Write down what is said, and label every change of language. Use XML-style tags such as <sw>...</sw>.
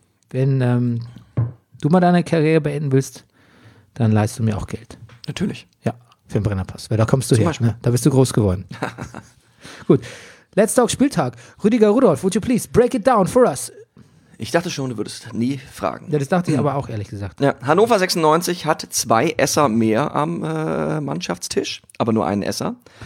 <de>Wenn du mal deine Karriere beenden willst, dann leihst du mir auch Geld. Natürlich. Ja, für den Brennerpass. Weil da kommst du zum her. Ne? Da bist du groß geworden. Gut. Letzter Spieltag.</de> <en>Rüdiger Rudolf, would you please break it down for us?</en> <de>Ich dachte schon, du würdest nie fragen. Ja, das dachte ich aber auch, ehrlich gesagt. Ja, Hannover 96 hat zwei Esser mehr am Mannschaftstisch, aber nur einen Esser.</de>